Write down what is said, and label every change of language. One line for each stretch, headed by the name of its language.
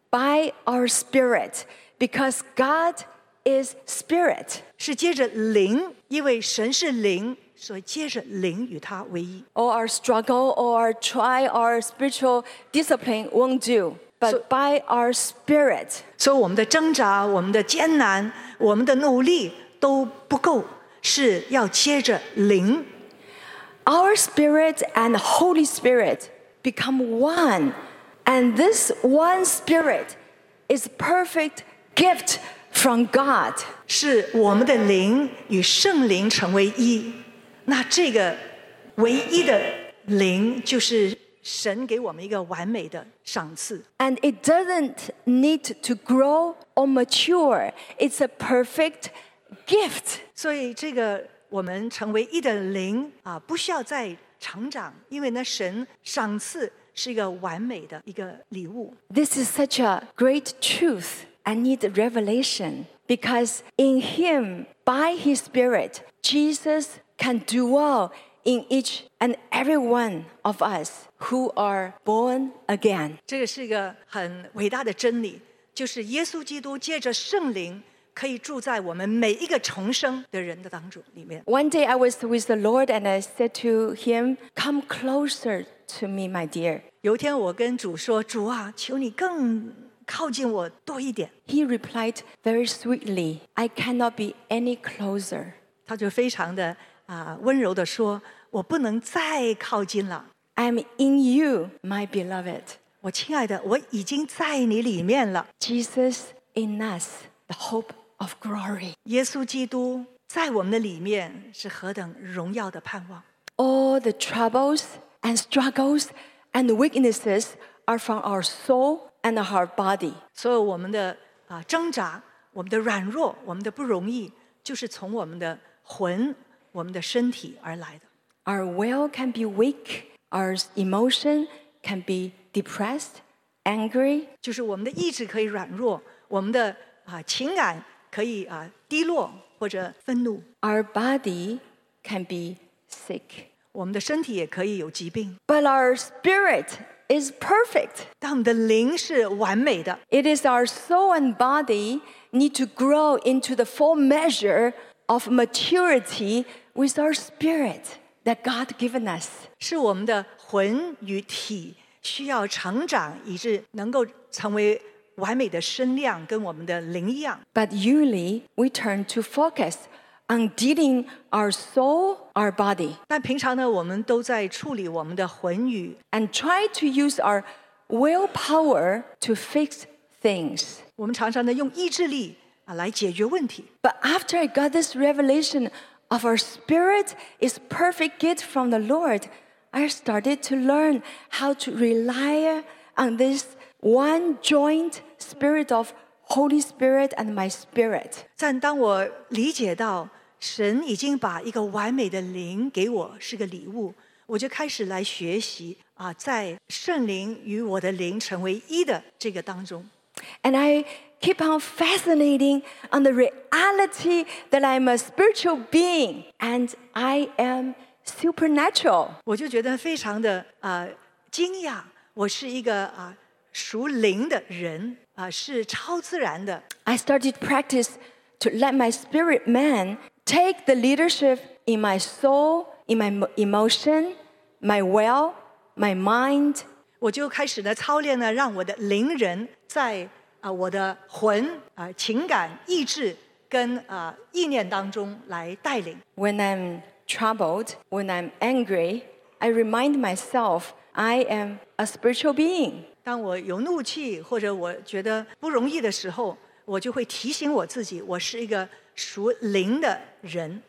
English: By our spirit, because God is spirit.
Chinese: 是接着灵，因为神是灵，所以接着灵与他为一。
English: All our struggle, all our try, our spiritual discipline won't do, but by our spirit.
Chinese: 所以我们的挣扎、我们的艰难、我们的努力都不够，是要接着灵。
English: Our spirit and the Holy Spirit become one, and this one spirit is a perfect gift from God.
Chinese: 是我们的灵与圣灵成为一。那这个唯一的灵就是神给我们一个完美的赏赐。
English: And it doesn't need to grow or mature. It's a perfect gift.
Chinese: 所以这个我们成为一的灵不需要再成长，因为呢神赏赐是一个完美的一个礼物。
English: This is such a great truth. I need revelation. Because in him, by his spirit, JesusCan dwell in each and every one of us who are born again.
Chinese: 这个是一个很伟大的真理，就是耶稣基督借着圣灵可以住在我们每一个重生的人的当中里面。
English: One day I was with the Lord and I said to him, "Come closer to me, my dear."
Chinese: 有一天我跟主说，主啊，求你更靠近我多一点。
English: He replied very sweetly, "I cannot be any closer."
Chinese: 他就非常的温柔地说，我不能再靠近了。
English: I'm in you, my beloved.
Chinese: 我亲爱的，我已经在你里面了。
English: Jesus in us, the hope of glory.
Chinese: 耶稣基督在我们的里面是何等荣耀的盼望。
English: All the troubles and struggles and weaknesses are from our soul and our body.
Chinese: 所有我们的挣扎，我们的软弱，我们的不容易，就是从我们的魂我们的身体而来的。
English: Our will can be weak. Our emotion can be depressed, angry.
Chinese: 就是我们的意志可以软弱，我们的情感可以低落或者愤怒。
English: Our body can be sick.
Chinese: 我们的身体也可以有疾病。
English: But our spirit is perfect.
Chinese: 但我们的灵是完美的。
English: It is our soul and body need to grow into the full measure of maturity with our spirit that God given us.
Chinese: 是我们的魂与体需要成长，以致能够成为完美的身量，跟我们的灵一样。
English: But usually we turn to focus on dealing our soul, our body.
Chinese: 但平常呢，我们都在处理我们的魂与
English: and try to use our willpower to fix things.
Chinese: 我们常常呢用意志力来解决问题。
English: But after I got this revelation of our spirit is perfect gift from the Lord. I started to learn how to rely on this one joint spirit of Holy Spirit and my spirit.
Chinese: 但当我理解到神已经把一个完美的灵给我是个礼物，我就开始来学习在圣灵与我的灵成为一的这个当中。
English: And I keep on fascinating on the reality that I'm a spiritual being and I am. Supernatural.
Chinese: 我就觉得非常的惊讶，我是一个属灵的人是超自然的。
English: I started practice to let my spirit man take the leadership in my soul, in my emotion, my will, my mind.
Chinese: 我就开始呢操练呢，让我的灵人在我的魂情感、意志跟意念当中来带领。
English: When I'm troubled, when I'm angry, I remind myself I am a spiritual being.
Chinese: 当我有怒气或者我觉得不容易的时候，我就会提醒我自己，我是一个属灵的人。